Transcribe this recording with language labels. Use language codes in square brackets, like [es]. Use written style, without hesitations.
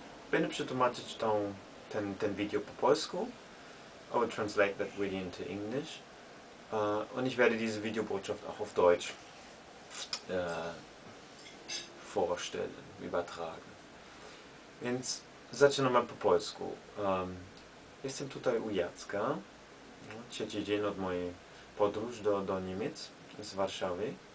[pl] Będę przetłumaczyć ten video po polsku. [en] I will translate that video into English. [de] Und ich werde diese Videobotschaft auch auf Deutsch vorstellen, übertragen. [pl] Więc zacznę mal po polsku. Jestem tutaj u Jacka. Trzeci dzień od mojej podróży do Niemiec z Warszawy.